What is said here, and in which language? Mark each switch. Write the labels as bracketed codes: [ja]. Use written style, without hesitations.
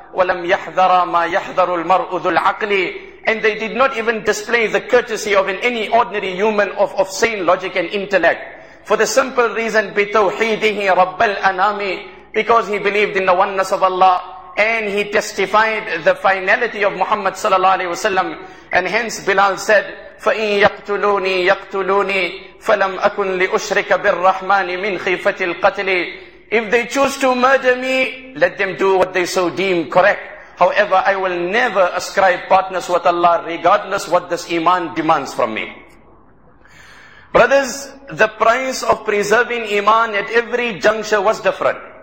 [ar] وَلَمْ يَحْذَرَ مَا يَحْذَرُ الْمَرْءُ ذُو الْعَقْلِ. [en] And they did not even display the courtesy of any ordinary human of sane logic and intellect. For the simple reason, [ar] بِتَوْحِيدِهِ رَبَّ الْأَنَامِ. [en] Because he believed in the oneness of Allah. And he testified the finality of Muhammad sallallahu alaihi wasallam. And hence Bilal said, [ar] فَإِن يَقْتُلُونِي يَقْتُلُونِي فَلَمْ أَكُنْ لِأُشْرِكَ بِالرَّحْمَنِ مِنْ خِيفَةِ الْقَتْلِ. [en] If they choose to murder me, let them do what they so deem correct. However, I will never ascribe partners with Allah, regardless what this iman demands from me. Brothers, the price of preserving iman at every juncture was different.